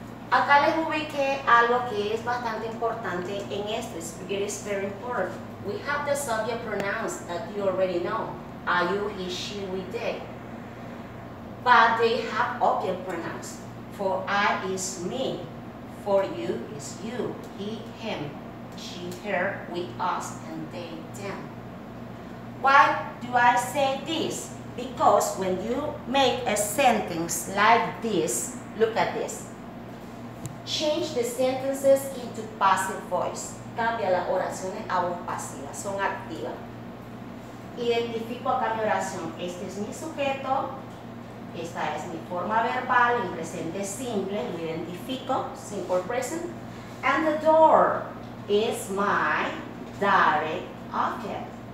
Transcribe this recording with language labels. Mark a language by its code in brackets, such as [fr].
[es] Acá les ubiqué algo que es bastante importante en esto. [en] It is very important. We have the subject pronouns that you already know. Are you, he, she, we, they. But they have object pronouns. For I is me. For you is you. He, him, she, her, we, us, and they, them. Why do I say this? Because when you make a sentence like this, look at this. Change the sentences into passive voice. [es] Cambia las oraciones a voz pasiva, son activas. Identifico acá mi oración. Este es mi sujeto. Esta es mi forma verbal en presente simple. Lo identifico, [en] simple present. And the door is my direct object.